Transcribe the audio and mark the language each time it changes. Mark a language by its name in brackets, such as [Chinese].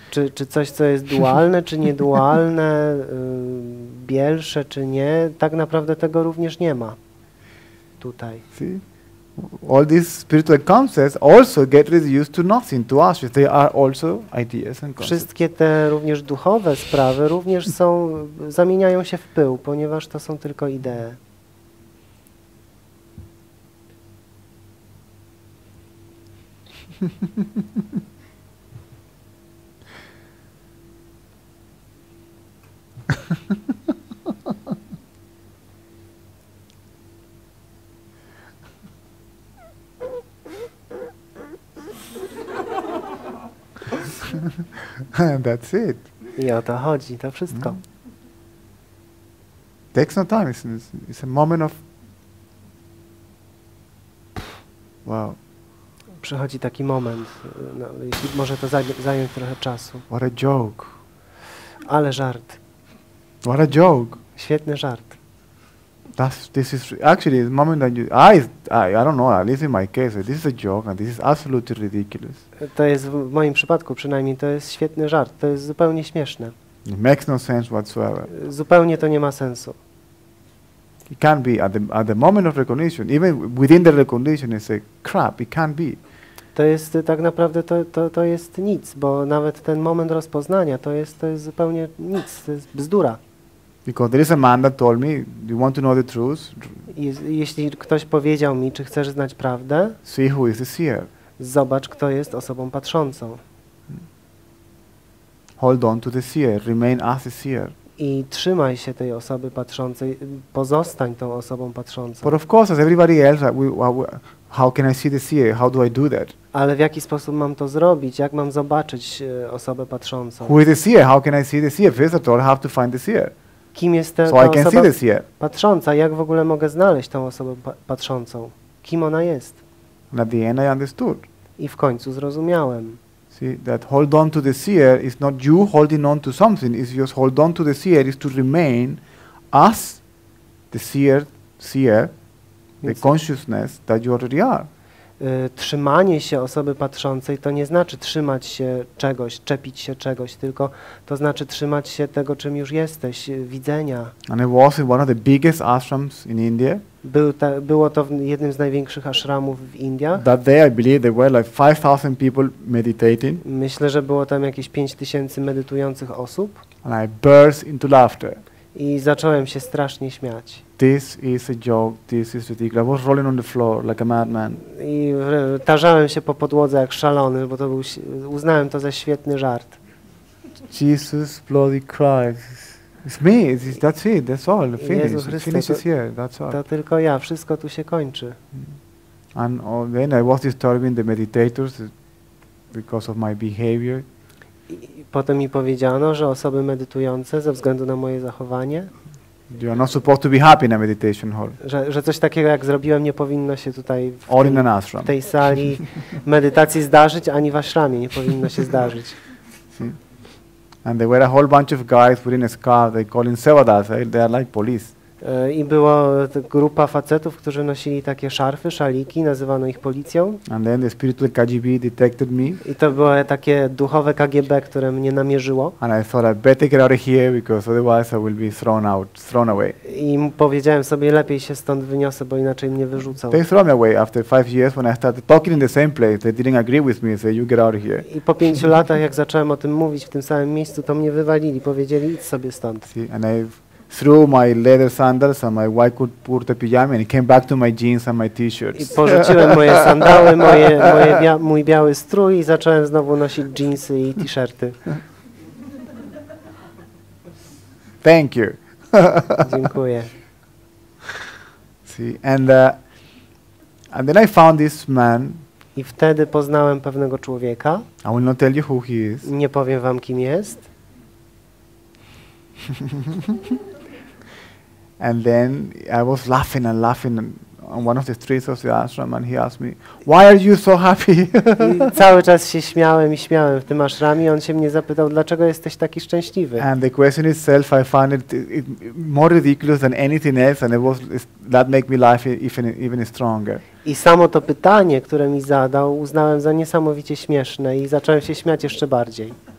[Polish] Czy coś, co jest dualne, czy niedualne, bielsze, czy nie, tak naprawdę tego również nie ma tutaj. [English] See? All these spiritual concepts also get reduced to nothing, to ashes. They are also ideas and concepts. [Polish] Wszystkie te również duchowe sprawy również są, zamieniają się w pył, ponieważ to są tylko idee. [English] That's it. [Polish] I o to chodzi, to wszystko. [English] It takes no time, it's a moment of. Wow. [Polish] Przychodzi taki moment, jeśli może to zająć trochę czasu. [English] What a joke. [Polish] Ale żart. [English] What a joke. [Polish] Świetny żart. [English] This is actually the moment that you. I don't know, at least in my case, this is a joke and this is absolutely ridiculous. [Polish] To jest w moim przypadku przynajmniej, to jest świetny żart, to jest zupełnie śmieszne. [English] It makes no sense whatsoever. [Polish] Zupełnie to nie ma sensu. [English] It can't be. At the moment of recognition, even within the recognition, it's a crap, it can't be. [Polish] To jest tak naprawdę, to jest nic, bo nawet ten moment rozpoznania, to jest zupełnie nic, to jest bzdura. [English] Because there is a man that told me, do you want to know the truth? [Polish] Jeśli ktoś powiedział mi, czy chcesz znać prawdę, [English] see who is the seer. [Polish] Zobacz, kto jest osobą patrzącą. [English] Hold on to the seer, remain as the seer. [Polish] I trzymaj się tej osoby patrzącej, pozostań tą osobą patrzącą. [English] But of course, as everybody else, how can I see the seer? How do I do that? [Polish] Ale w jaki sposób mam to zrobić? Jak mam zobaczyć osobę patrzącą? [English] Who is the seer? How can I see the seer? First of all, I have to find the seer. [Polish] Kim jest ta [English] so I can [Polish] osoba [English] see this here. [Polish] Patrząca? Jak w ogóle mogę znaleźć tą osobę patrzącą? Kim ona jest? [English] And at the end I understood. [Polish] I w końcu zrozumiałem. [English] See, that hold on to the seer is not you holding on to something, it's just hold on to the seer is to remain as the seer, the consciousness that you already are. [Polish] Trzymanie się osoby patrzącej to nie znaczy trzymać się czegoś, czepić się czegoś, tylko to znaczy trzymać się tego, czym już jesteś, widzenia. [English] And it was in one of the biggest ashrams in India. [Polish] Było to w jednym z największych ashramów w Indiach. [English] That day I believe there were like 5,000 people meditating. [Polish] Myślę, że było tam jakieś 5,000 medytujących osób. [English] And I burst into laughter. [Polish] I zacząłem się strasznie śmiać. [English] This is a joke, this is ridiculous. I was rolling on the floor like a madman. [Polish] I tarzałem się po podłodze jak szalony, bo to był, uznałem to za świetny żart. [English] Jesus bloody Christ. It's me, that's it, that's all. Finish is here, that's all. [Polish] To tylko ja, wszystko tu się kończy. [English] And then I was disturbing the meditators because of my behavior. [Polish] I potem mi powiedziano, że osoby medytujące ze względu na moje zachowanie, [English] you are not supposed to be happy in a meditation hall. [Polish] Że coś takiego jak zrobiłem nie powinno się tutaj w tej sali medytacji zdarzyć, ani w ashramie nie powinno się zdarzyć. [English] And there were a whole bunch of guys wearing a scarf, they call in sevadas, they are like police. [Polish] I była grupa facetów, którzy nosili takie szarfy, szaliki, nazywano ich policją. [English] And then the spiritual KGB detected me. [Polish] I to było takie duchowe KGB, które mnie namierzyło. [English] And I thought I better get out of here because otherwise I will be thrown away. [Polish] I powiedziałem sobie, lepiej się stąd wyniosę, bo inaczej mnie wyrzucą. [English] They threw me away after 5 years when I started talking in the same place. They didn't agree with me, so you get out of here. [Polish] I po 5 latach, jak zacząłem o tym mówić w tym samym miejscu, to mnie wywalili, powiedzieli, idź sobie stąd. [English] Threw my leather sandals and my white kurta pijama and came back to my jeans and my t-shirts. [Polish] I porzuciłem moje sandały, mój biały strój i zacząłem znowu nosić jeansy i t-shirty. [English] Thank you. [Polish] Dziękuję. [English] See, and then I found this man. [Polish] I wtedy poznałem pewnego człowieka. [English] I will not tell you who he is. [Polish] Nie powiem wam, kim jest. [English] And then I was laughing and laughing on one of the streets of the ashram and he asked me, why are you so happy? [Polish] Cały czas się śmiałem i śmiałem w tym ashramie. On się mnie zapytał, dlaczego jesteś taki szczęśliwy? [English] And the question itself, I found it more ridiculous than anything else and that made me laugh even stronger. [Polish] I samo to pytanie, które mi zadał, uznałem za niesamowicie śmieszne i zacząłem się śmiać jeszcze bardziej.